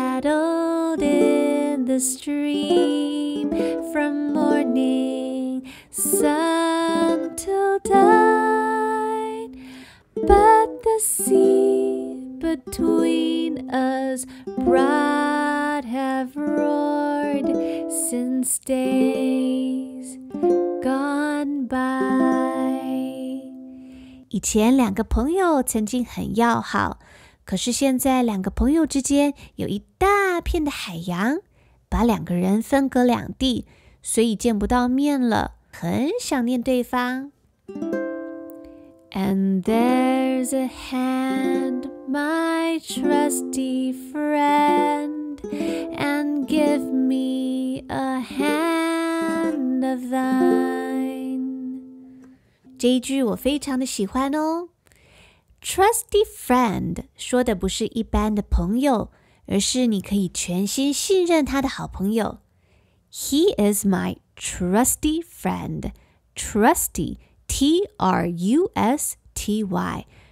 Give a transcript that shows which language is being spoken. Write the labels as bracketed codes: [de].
[en] Paddled in the stream from morning sun till dine, but the sea between us broad have roared since days gone by. [zh] 以前两个朋友曾经很要好。可是现在两个朋友之间有一大片的海洋，把两个人分隔两地，所以见不到面了，很想念对方。 [en] And there's a hand, my trusty friend, and give me a hand of thine. [zh] 这一句我非常的喜欢哦。 [en] Trusty friend [zh] 说的不是一般的朋友，而是你可以全心信任他的好朋友。 [en] He is my trusty friend. Trusty, T-R-U-S-T-Y.